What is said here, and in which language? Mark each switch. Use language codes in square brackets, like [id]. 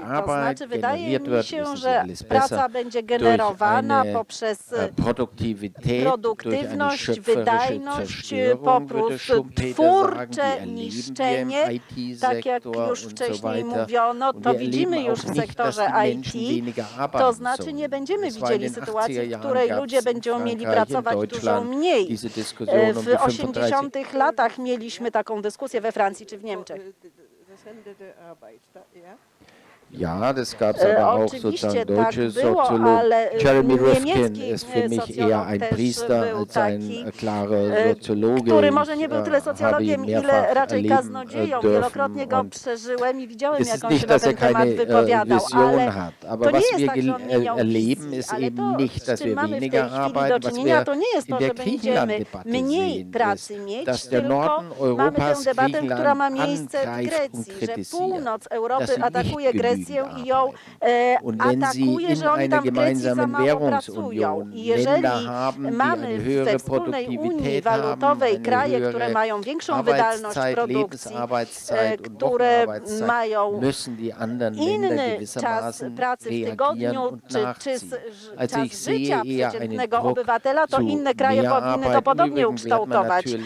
[pl] To znaczy, wydaje mi się, że praca będzie generowana poprzez produktywność, wydajność, poprzez twórcze niszczenie, tak jak już wcześniej mówiono, to widzimy już w sektorze IT. To znaczy, nie będziemy widzieli sytuacji, w której ludzie będą mieli pracować dużo mniej. W 80-tych latach mieliśmy taką dyskusję we Francji czy w Niemczech. [de] Ja, das gab's aber auch sozusagen deutsche Soziologie. Jeremy Rifkin ist für mich eher ein Priester als ein klarer Soziologe. [pl] Który może nie był tyle socjologiem, ile raczej kaznodzieją. Wielokrotnie go przeżyłem i widziałem, jak on się na ten temat wypowiadał. [de] Aber was wir erleben, ist eben nicht, dass wir weniger arbeiten. Was wir in der Griechenland-Debatte sehen, ist, dass der Norden Europas Griechenland angreift und kritisiert. Das sind nicht Griechenland. [pl] I ją atakuje, że oni tam w Grecji za mało pracują. I jeżeli mamy we wspólnej Unii Walutowej kraje, które mają większą wydajność produkcji, które mają inny czas pracy w tygodniu, czy czas życia przeciętnego obywatela, to inne kraje powinny to podobnie ukształtować.